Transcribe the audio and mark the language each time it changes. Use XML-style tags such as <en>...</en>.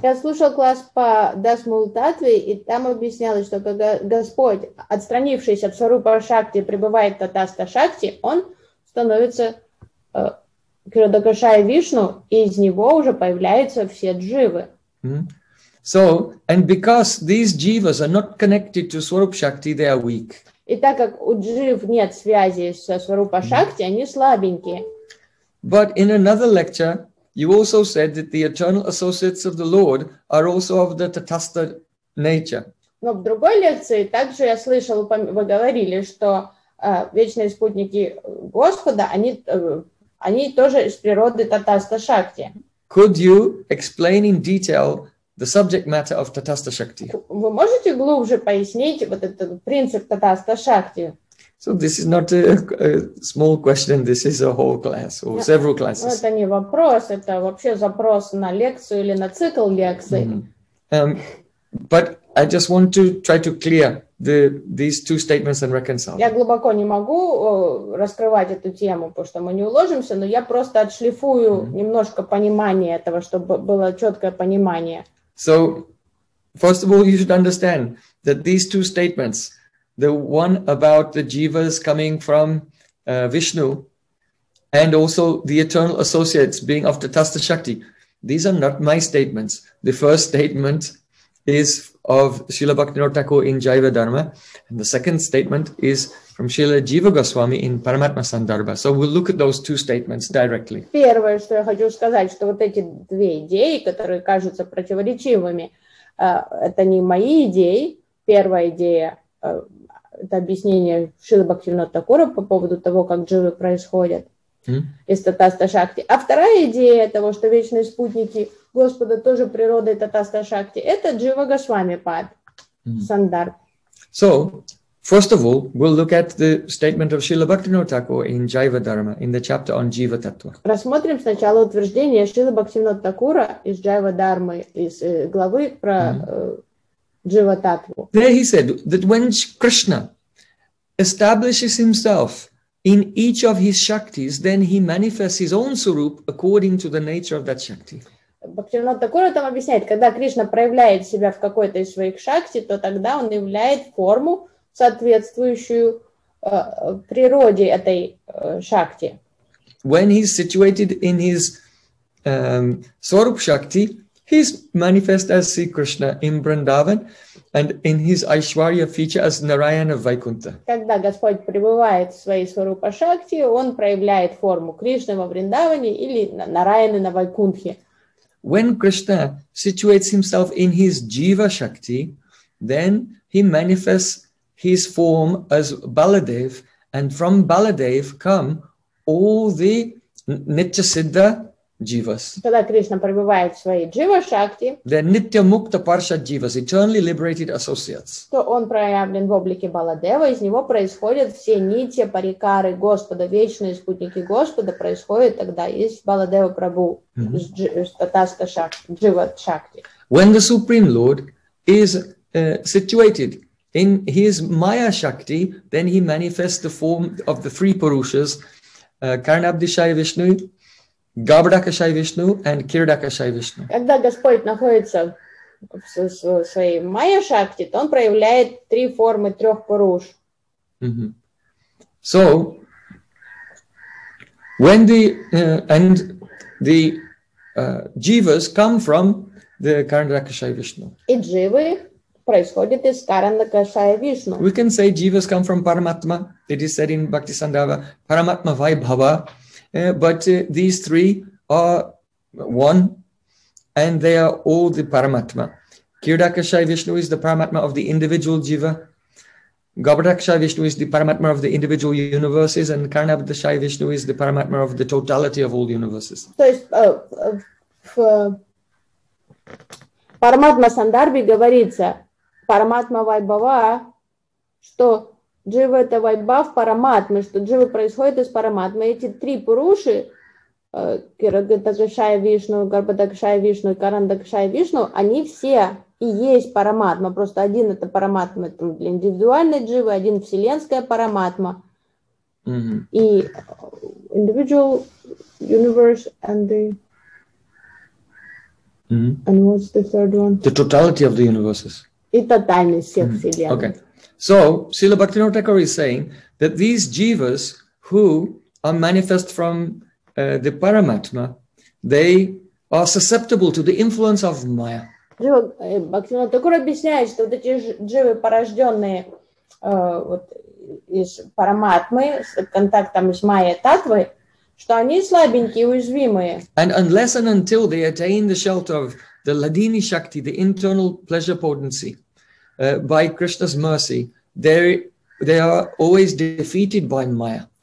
<ru>Я слушал класс по Дасмул Татве, и там объяснялось, что когда Господь, отстранившись от Сварупа Шакти, пребывает в Татастха Шакти, он становится Кирдакашая Вишну, и из него уже появляются все дживы. Mm-hmm.</ru> <en>So, and because these jivas are not connected to Swarup Shakti, they are weak.</en> <ru>И так как у джив нет связи со Сварупа Шакти, mm-hmm. они слабенькие.</ru> <en>But in another lecture, you also said that the eternal associates of the Lord are also of the Tatastha nature.</en> <ru>Но в другой лекции также я слышал, вы говорили, что вечные спутники Господа, они они тоже из природы татаста шакти.</ru> <en>Could you explain in detail the subject matter of татаста шакти?</en> <ru>Вы можете глубже пояснить вот этот принцип татаста шакти?</ru> <en>So this is not a small question, this is a whole class or several classes.</en> <ru>Это не вопрос, это вообще запрос на лекцию или на цикл лекций.</ru> <en>But I just want to try to clear these two statements and reconcile.</en> <ru>Я глубоко не могу раскрывать эту тему, потому что мы не уложимся, но я просто отшлифую немножко понимание этого, чтобы было четкое понимание.</ru> <en>So first of all, you should understand that these two statements, the one about the jivas coming from Vishnu, and also the eternal associates being of tatastha shakti, these are not my statements. The first statement is of Srila Bhaktivinoda Thakur in Jaiva Dharma, and the second statement is from Srila Jiva Goswami in Paramatma Sandarbha. So we'll look at those two statements directly.</en> <ru>Первое, что я хочу сказать, что вот эти две идеи, которые кажутся противоречивыми, это не мои идеи. Первая идея это объяснение Шрилы Бхактивинода Такура по поводу того, как дживы происходят из татаста шакти. А вторая идея того, что вечные спутники Господа тоже природа и татаста шакти, это джива госвами пад, сандарб.</ru> <en>So, first of all, we'll look at the statement of Шрилы Бхактивинода Такура in Jaiva Dharma, in the chapter on Jiva Tattva.</en> <ru>Рассмотрим сначала утверждение Шрилы Бхактивинода Такура из Jaiva Dharma, из главы про Jiva-tattva.</ru> <en>There he said that when Krishna establishes himself in each of his shaktis, then he manifests his own surup according to the nature of that shakti.</en> <ru>Бхактивинода Такура там объясняет, когда Кришна проявляет себя в какой-то из своих шакти, то тогда он являет форму, соответствующую природе этой шакти.</ru> <en>When he's situated in his surup shakti, he's manifest as Sri Krishna in Vrindavan and in his Aishwarya feature as Narayana Vaikuntha.</en> <ru>Когда Господь пребывает в своей сварупа шакти, он проявляет форму Кришны во Вриндаване или Нараяны на Вайкунтхе.</ru> <en>When Krishna situates himself in his Jiva Shakti, then he manifests his form as Baladev, and from Baladev come all the Nitya Siddha Jivas.</en> <ru>Когда Кришна пребывает в своей джива-шакти,</ru> <en>the nitya mukta parsha jivas, eternally liberated associates,</en> <ru>то он проявлен в облике Баладева, из него происходят все нитья, парикары Господа, вечные спутники Господа происходят тогда из Баладева Прабу, из татаста шакти, джива-шакти.</ru> <en>When the Supreme Lord is situated in his maya shakti, then he manifests the form of the three purushas, Karnabdishaya Vishnu, Gavardakashaya Vishnu and Kiridakashaya Vishnu.</en> <ru>Когда Господь находится в своей майя шакти, то он проявляет три формы трех пуруш.</ru> <en>So when the and the jivas come from the Karnadakashaya Vishnu.</en> <ru>И дживы происходят из Карнадакашая Вишну.</ru> <en>We can say jivas come from Paramatma. It is said in Bhakti Sandava, Paramatma Vaibhava. But these three are one, and they are all the Paramatma. Kiridakashaya Vishnu is the Paramatma of the individual jiva. Gavardakashaya Vishnu is the Paramatma of the individual universes, and Karnabdashaya Vishnu is the Paramatma of the totality of all universes.</en> <ru>То есть в Параматма Сандарби говорится, Параматма Вайбава, что джива это вайбав параматмы, что дживы происходят из параматмы. Эти три пуруши, Кирагатакшая Вишну, Гарбадакшая Вишну и Карандакшая Вишну, они все и есть параматма. Просто один это параматма для индивидуальной дживы, один вселенская параматма. И</ru> <en>individual universe and the... And what's the third one? The totality of the universes.</en> <ru>И тотальность всех вселенных.</ru> <en>Okay. So, Srila Bhaktivinoda Thakur is saying that these jivas who are manifest from the Paramatma, they are susceptible to the influence of Maya.</en> <ru>Bhaktivinoda Thakur объясняет, что вот эти дживы, порожденные вот, из Параматмы, с контактом с Майя Таттвой, что они слабенькие, уязвимые.</ru> <en>And unless and until they attain the shelter of the Ladini Shakti, the internal pleasure potency, by Krishna's mercy, they are always defeated by Maya.</en>